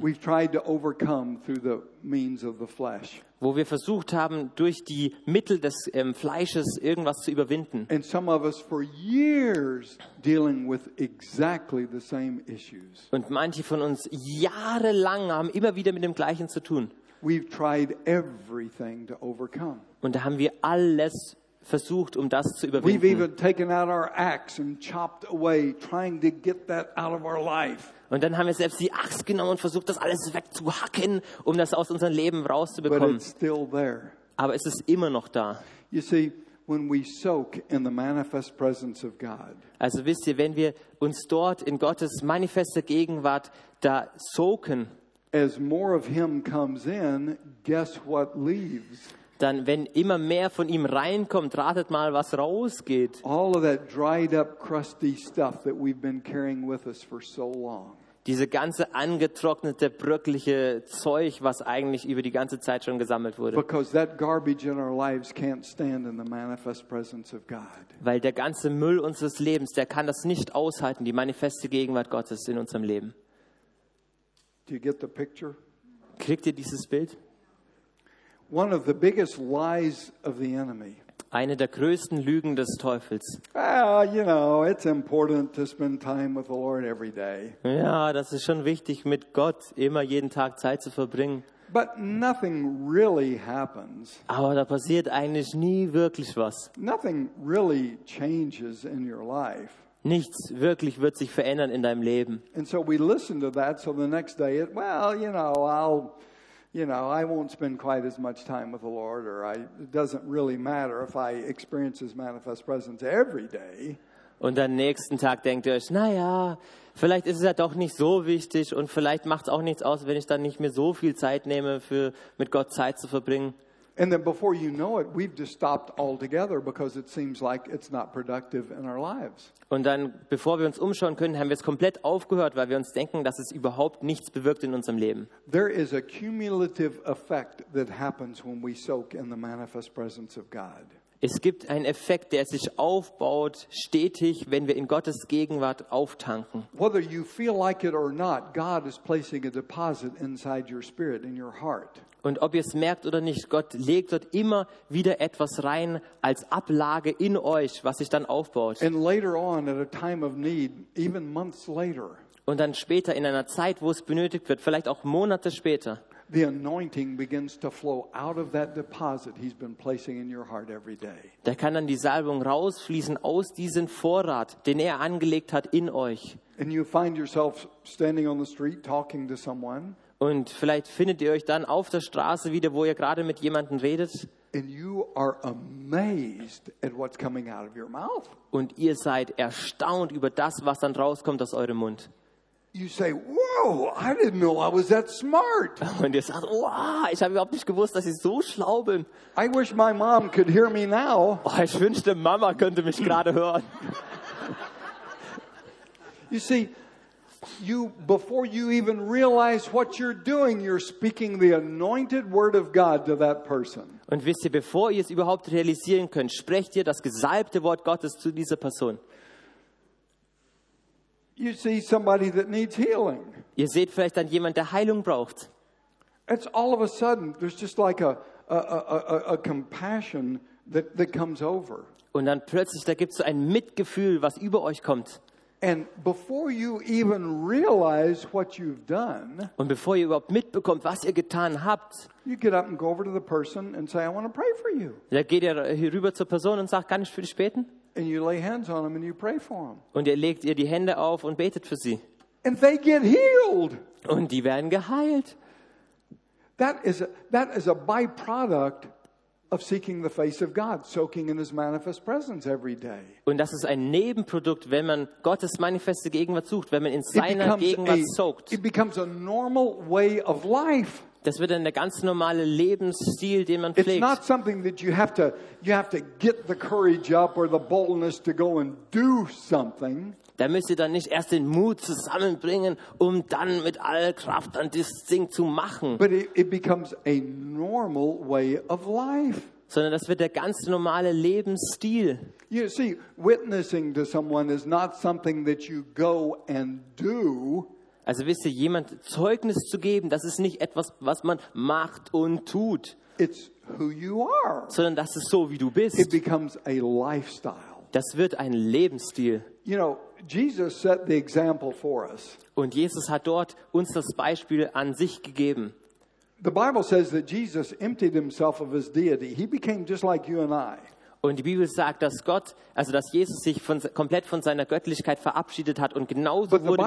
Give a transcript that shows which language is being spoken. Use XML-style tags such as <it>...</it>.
<en>We've tried to overcome through the means of the flesh.</en> <de>Wo wir versucht haben, durch die Mittel des Fleisches irgendwas zu überwinden.</de> <en>And some of us for years dealing with exactly the same issues.</en> <de>Und manche von uns jahrelang haben immer wieder mit dem Gleichen zu tun.</de> <en>We've tried everything to overcome.</en> <de>Und da haben wir alles versucht, um das zu überwinden.</de> <en>We've even taken out our axe and chopped away, trying to get that out of our life.</en> <de>Und dann haben wir selbst die Axt genommen und versucht, das alles wegzuhacken, um das aus unserem Leben rauszubekommen.</de> <en>But it's still there.</en> <de>Aber es ist immer noch da.</de> <en>You see, when we soak in the manifest presence of God.</en> <de>Also wisst ihr, wenn wir uns dort in Gottes manifeste Gegenwart da soaken,</de> <en>as more of him comes in, guess what leaves?</en> <de>Dann, wenn immer mehr von ihm reinkommt, ratet mal, was rausgeht.</de> <en>All of that dried up, crusty stuff that we've been carrying with us for so long.</en> <de>Diese ganze angetrocknete, bröckliche Zeug, was eigentlich über die ganze Zeit schon gesammelt wurde.</de> <en>Because that garbage in our lives can't stand in the manifest presence of God.</en> <de>Weil der ganze Müll unseres Lebens, der kann das nicht aushalten, die manifeste Gegenwart Gottes in unserem Leben.</de> <en>Do you get the picture?</en> <de>Kriegt ihr dieses Bild?</de> <en>One of the biggest lies of the enemy.</en> <de>Eine der größten Lügen des Teufels.</de> <en>Ah, you know, it's important to spend time with the Lord every day.</en> <de>Ja, das ist schon wichtig, mit Gott immer jeden Tag Zeit zu verbringen.</de> <en>But nothing really happens.</en> <de>Aber da passiert eigentlich nie wirklich was.</de> <en>Nothing really changes in your life.</en> <de>Nichts wirklich wird sich verändern in deinem Leben.</de> <en>And so we listen to that, so the next day, I won't spend quite as much time with the Lord, it doesn't really matter if I experience His manifest presence every day.</en> <de>Und am nächsten Tag denkt ihr euch, naja, vielleicht ist es ja doch nicht so wichtig und vielleicht macht es auch nichts aus, wenn ich dann nicht mehr so viel Zeit nehme, für mit Gott Zeit zu verbringen.</de> <en>And then before you know it, we've just stopped altogether because it seems like it's not productive in our lives.</en> <de>Und dann, bevor wir uns umschauen können, haben wir es komplett aufgehört, weil wir uns denken, dass es überhaupt nichts bewirkt in unserem Leben.</de> <en>There is a cumulative effect that happens when we soak in the manifest presence of God.</en> <de>Es gibt einen Effekt, der sich aufbaut stetig, wenn wir in Gottes Gegenwart auftanken.</de> <en>Whether you feel like it or not, God is placing a deposit inside your spirit, in your heart.</en> <de>Und ob ihr es merkt oder nicht, Gott legt dort immer wieder etwas rein als Ablage in euch, was sich dann aufbaut.</de> <en>And later on, at a time of need, even months later,</en> <de>und dann später in einer Zeit, wo es benötigt wird, vielleicht auch Monate später,</de> <en>the anointing begins to flow out of that deposit he's been placing in your heart every day.</en> <de>Da kann dann die Salbung rausfließen aus diesem Vorrat, den er angelegt hat in euch.</de> <en>And you find yourself standing on the street talking to someone.</en> <de>Und vielleicht findet ihr euch dann auf der Straße wieder, wo ihr gerade mit jemandem redet.</de> <en>And you are amazed at what's coming out of your mouth.</en> <de>Und ihr seid erstaunt über das, was dann rauskommt aus eurem Mund.</de> <en>You say, "Whoa, I didn't know I was that smart."</en> <de>Und ihr sagt, "Wow, ich habe überhaupt nicht gewusst, dass ich so schlau bin."</de> <en>I wish my mom could hear me now.</en> <de>Oh, ich wünschte, Mama könnte mich gerade hören.</de> <en>You see, you before you even realize what you're doing, you're speaking the anointed word of God to that person.</en> <de>Und wisst ihr, bevor ihr es überhaupt realisieren könnt, sprecht ihr das gesalbte Wort Gottes zu dieser Person.</de> <en>You see somebody that needs healing.</en> <de>Ihr seht vielleicht dann jemand, der Heilung braucht.</de> <en>It's all of a sudden there's just like a compassion that comes over.</en> <de>Und dann plötzlich, da gibt's so ein Mitgefühl, was über euch kommt.</de> <en>And before you even realize what you've done,</en> <de>und bevor ihr überhaupt mitbekommt, was ihr getan habt,</de> <en>you get up and go over to the person and say, "I want to pray for you."</en> <de>Da geht ihr rüber zur Person und sagt, kann ich für dich beten?</de> <en>And you lay hands on them and you pray for them.</en> <de>Und ihr legt ihr die Hände auf und betet für sie.</de> <en>And they get healed.</en> <de>Und die werden geheilt.</de> <en>That is a byproduct of seeking the face of God, soaking in His manifest presence every day.</en> <de>Und das ist ein Nebenprodukt, wenn man Gottes manifeste Gegenwart sucht, wenn man in seiner Gegenwart soakt.</de> <en>It becomes a normal way of life.</en> <de>Das wird dann der ganz normale Lebensstil, den man pflegt.</de> <en>It's not something that you have to get the courage up or the boldness to go and do something.</en> <de>Da müsst ihr dann nicht erst den Mut zusammenbringen, um dann mit aller Kraft dann dieses Ding zu machen.</de> <en>But it becomes a normal way of life.</en> <de>sondern das wird der ganz normale Lebensstil.</de> <en>You see, witnessing to someone is not something that you go and do.</en> <de>Also wisst ihr, jemand Zeugnis zu geben, das ist nicht etwas, was man macht und tut.</de> <en>It's who you are.</en> <de>Sondern das ist so, wie du bist.</de> <en>It becomes a lifestyle.</en> <de>Das wird ein Lebensstil.</de> <en>You know, Jesus set the example for us.</en> <de>Und Jesus hat dort uns das Beispiel an sich gegeben.</de> <en>The Bible says that Jesus emptied himself of his deity. He became just like you and I.</en> <de>Und die Bibel sagt, dass Gott, also dass Jesus sich komplett von seiner Göttlichkeit verabschiedet hat und genauso wurde wie wir.</de>